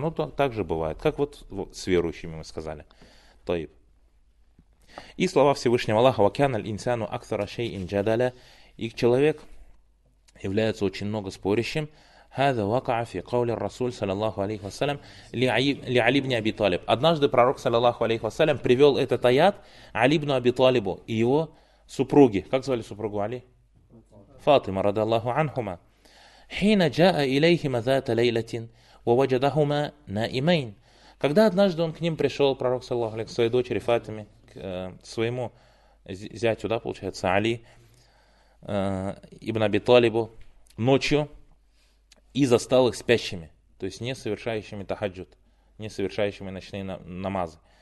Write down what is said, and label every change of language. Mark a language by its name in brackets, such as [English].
[Russian] Оно так же бывает, как вот с верующими мы сказали. Таиб. И слова Всевышнего Аллаха, [Arabic] «Вакяна л-инсану актара шей инджадаля», [Russian] и человек является очень много спорящим. [Arabic] هذا وقع في قول الرسول صلى الله عليه وسلم لعلي بن أبي طالب. [Russian] Однажды пророк [Arabic] صلى الله عليه وسلم [Russian] привел этот аят Али ибн Аби Талибу и его супруге. Как звали супругу Али? [Arabic] Фатима رضي الله عنهما. حين جاء إليهما ذات ليلة ووجدهما نائمين. [Russian] Когда однажды он к ним пришел, пророк [Arabic] صلى الله عليه وسلم, [Russian] к своей дочери Фатиме, к своему зятю, да, получается, Али ибн Аби Талибу ночью, и застал их спящими, то есть не совершающими тахаджуд, не совершающими ночные намазы.